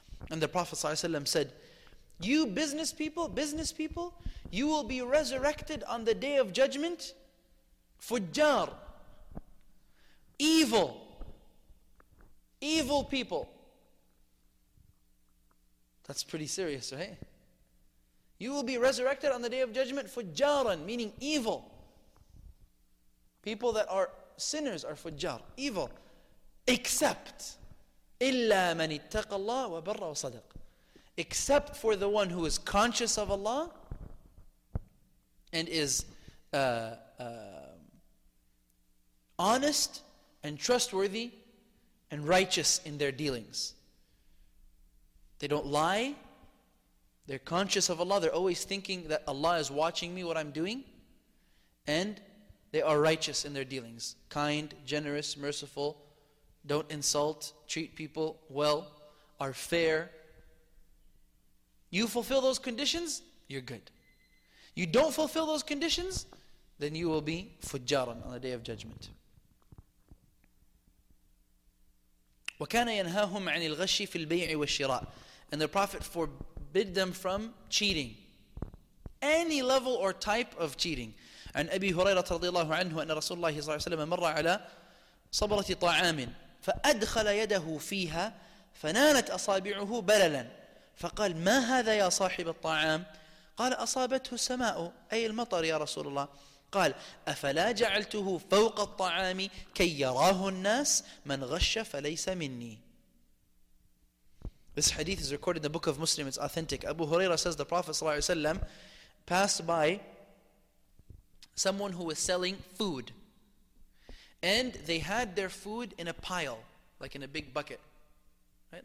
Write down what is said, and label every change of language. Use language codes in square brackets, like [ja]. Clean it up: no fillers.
[en] And the Prophet ﷺ said, you business people, you will be resurrected on the day of judgment. Fujjar. Evil. Evil people. That's pretty serious, right? You will be resurrected on the day of judgment. Fujjaran, meaning evil. People that are sinners are fujjar, evil. Except, [ar] إِلَّا مَنِ اتَّقَ اللَّهُ وَبَرَّ وَصَدَقَ. [en] Except for the one who is conscious of Allah and is honest and trustworthy and righteous in their dealings. They don't lie. They're conscious of Allah. They're always thinking that Allah is watching me, what I'm doing. And they are righteous in their dealings. Kind, generous, merciful. Don't insult, treat people well, are fair, You fulfill those conditions, you're good. You don't fulfill those conditions, then you will be fujjaran on the day of judgment. [ar] وَكَانَ يَنْهَاهُمْ عَنِ الْغَشِّ فِي الْبَيْعِ وَالشِّرَاءِ. [en] And the Prophet forbid them from cheating. Any level or type of cheating. [ar] عن أبي هريرة رضي الله عنه أن رسول الله صلى الله عليه وسلم مر على صبرة طعام فأدخل يده فيها فنالت أصابعه بللا فقال ما هذا يا صاحب الطعام؟ قال أصابته السماء أي المطر يا رسول الله. قال أفلا جعلته فوق الطعام كي يراه الناس من غش فليس مني. [en] This hadith is recorded in the book of Muslim. It's authentic. Abu Huraira says the Prophet صلى الله عليه وسلم passed by someone who was selling food, and they had their food in a pile, like in a big bucket, right?